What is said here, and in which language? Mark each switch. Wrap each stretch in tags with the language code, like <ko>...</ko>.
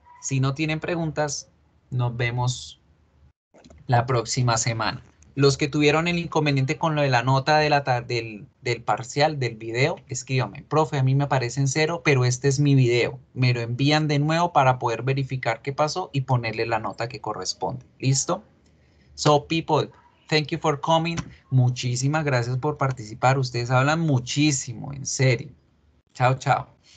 <es>Si no tienen preguntas, nos vemos la próxima semana. Los que tuvieron el inconveniente con lo de la nota de del parcial, del video, escríbame. Profe, a mí me parecen 0, pero este es mi video. Me lo envían de nuevo para poder verificar qué pasó y ponerle la nota que corresponde. ¿Listo?</es> <en>So, people, thank you for coming.</en> <es>Muchísimas gracias por participar. Ustedes hablan muchísimo, en serio. Chao, chao.</es>